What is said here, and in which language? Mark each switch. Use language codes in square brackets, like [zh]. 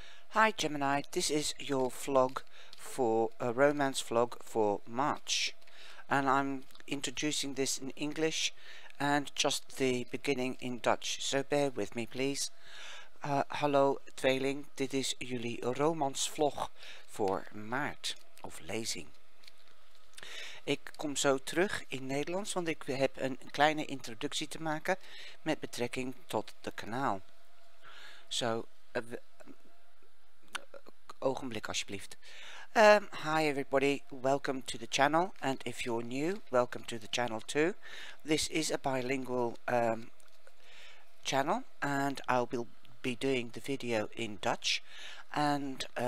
[en] Hi Gemini, this is your vlog for a romance vlog for March, and I'm introducing this in English and just the beginning in Dutch, so bear with me please. [nl] Hallo tweeling, dit is jullie romance vlog voor maart, of lezing. Ik kom zo terug in Nederlands, want ik heb een kleine introductie te maken met betrekking tot de kanaal. Zo, ogenblik alsjeblieft. [en] Hi everybody, welcome to the channel, and if you're new, welcome to the channel too. This is a bilingual channel, and I will be doing the video in Dutch, and